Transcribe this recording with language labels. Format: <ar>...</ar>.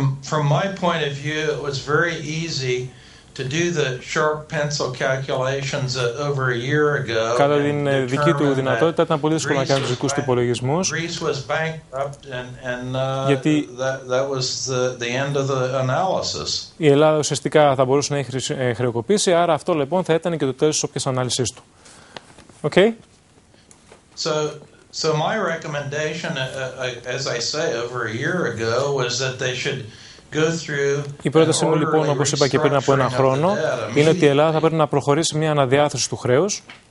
<en>From my point of view, it was very easy to do the sharp pencil calculations over a year ago.</en> <el>Κατά την δική του δυνατότητα, ήταν πολύ δύσκολο να κάνει τους δικούς του υπολογισμούς.</el> <en>Greece was bankrupt, and</en> <el>γιατί</el> <en>that was the end of the analysis.</en> <el>Η Ελλάδα ουσιαστικά θα μπορούσε να έχει χρεοκοπήσει, άρα αυτό λοιπόν θα ήταν και το τέλος της όποιας ανάλυσης του.</el> <en>Okay. So my recommendation, as I say, over a year ago, was that they should go through.</en> <el>Η πρόταση μου λοιπόν, όπως είπα και πριν από ένα χρόνο, είναι ότι η Ελλάδα θα πρέπει να προχωρήσει μια αναδιάθεση του χρέους.</el>